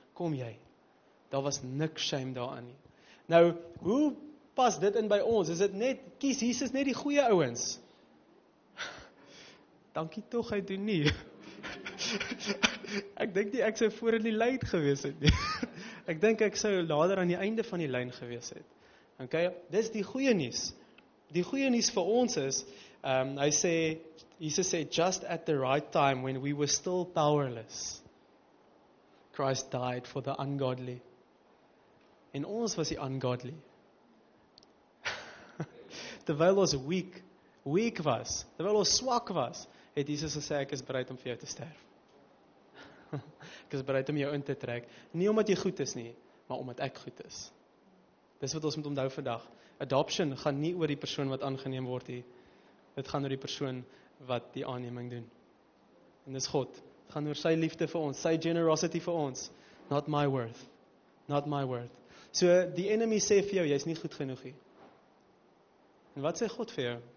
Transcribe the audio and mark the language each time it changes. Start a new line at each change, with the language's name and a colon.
Afrikaans: Kom jy. Daar was nik shame daaraan nie. Nou, hoe pas dit in by ons? Is dit net, kies Jesus net die goeie ouens? Dankie tog, hy doen nie. Ek dink nie ek sou voor in die lyn gewees het nie. Ek dink ek sou later aan die einde van die lyn gewees het. OK, dis die goeie nuus. Die goeie nuus vir ons is, hy sê, Jesus sê,
English: just at the right time when we were still powerless, Christ died for the ungodly.
Afrikaans: En ons was die ungodly. Terwyl ons weak was, terwyl ons swak was, het Jesus gesê, ek is bereid om vir jou te sterf. Ek is bereid om jou in te trek. Nie omdat jy goed is nie, maar omdat ek goed is. Dis wat ons moet onthou vandag. Adoption gaan nie oor die persoon wat aangeneem word nie. Dit gaan oor die persoon wat die aanneming doen. En dis God. Dit gaan oor sy liefde vir ons, sy generosity vir ons.
English: Not my worth. Not my worth.
Afrikaans: So die enemy sê vir jou, jy's nie goed genoeg nie. En wat sê God vir jou?